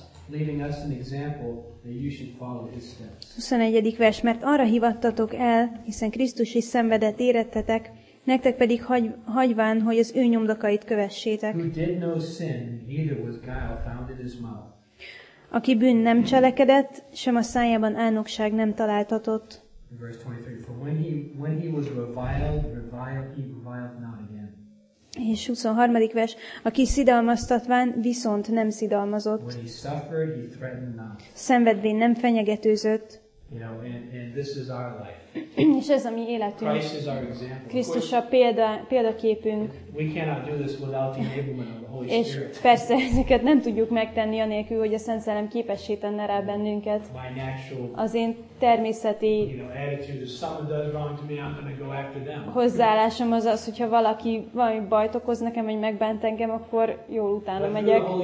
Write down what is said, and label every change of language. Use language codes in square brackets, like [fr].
[en] Leaving us an example that you should follow his steps. [hu] 21. vers, mert arra hivattatok el, hiszen Krisztus is szenvedett érettetek, nektek pedig hagyván, hogy az ő nyomdokait kövessétek. [en] Who did no sin, neither was guile found in his mouth. [hu] Aki bűn nem cselekedett, sem a szájában álnokság nem találtatott. [en] Verse 23, for when he was reviled, he reviled not again. [hu] És 23. vers, aki szidalmaztatván viszont nem szidalmazott. [en] When he suffered, he threatened not. [hu] Szenvedvén nem fenyegetőzött. [en] You know, and this is our life. [hu] És ez a mi életünk. [en] Christ is our example. [hu] Krisztus a példaképünk. [en] We cannot do this without the enablement of the Holy Spirit. [hu] És persze ezeket nem tudjuk megtenni anélkül, hogy a Szent Szellem képessé tenne rá bennünket. [en] My natural, [hu] az én természeti, [en] you know, attitude, if someone does wrong to me, I'm going to go after them. [hu] Hozzáállásom az, hogyha valaki valami bajt okoz nekem, vagy megbánt engem, akkor jól utána megyek.